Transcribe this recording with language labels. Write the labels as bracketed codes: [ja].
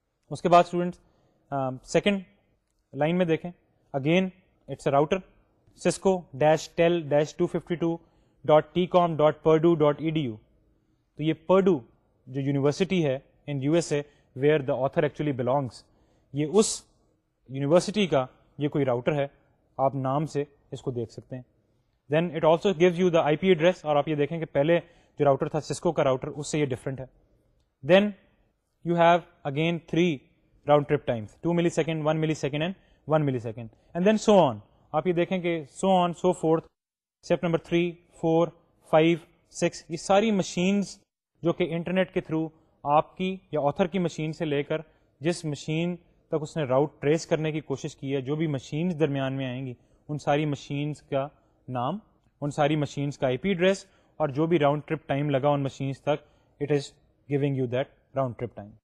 [ur] اس کے بعد students second line میں دیکھیں, [en] again it's a router, [ur] Cisco dash tell dash 252.tcom.purdue.edu. تو یہ پرڈو جو یونیورسٹی ہے ان U S A [en] where the author actually belongs, [ur] یہ اس یونیورسٹی کا یہ کوئی راؤٹر ہے, آپ نام سے اس کو دیکھ سکتے ہیں. [en] Then it also gives you the I P address. [ur] اور آپ یہ دیکھیں کہ پہلے جو راؤٹر تھا سسکو کا راؤٹر, اس سے یہ ڈفرینٹ ہے. [en] Then you have again 3 round-trip times, 2 millisecond, 1 millisecond and 1 millisecond, and then so on. [ur] آپ یہ دیکھیں کہ سو آن سو فورتھ, اسٹیپ نمبر 3, 4, 5, 6, یہ ساری مشینز جو کہ انٹرنیٹ کے تھرو آپ کی یا آتھر کی مشین سے لے کر جس مشین تک اس نے راؤٹ ٹریس کرنے کی کوشش کی ہے, جو بھی مشینز درمیان میں آئیں گی, ان ساری مشینز کا نام, ان ساری مشینز کا آئی پی ایڈریس, اور جو بھی راؤنڈ ٹرپ ٹائم لگا ان مشینز تک, [en] It is giving you that round trip time.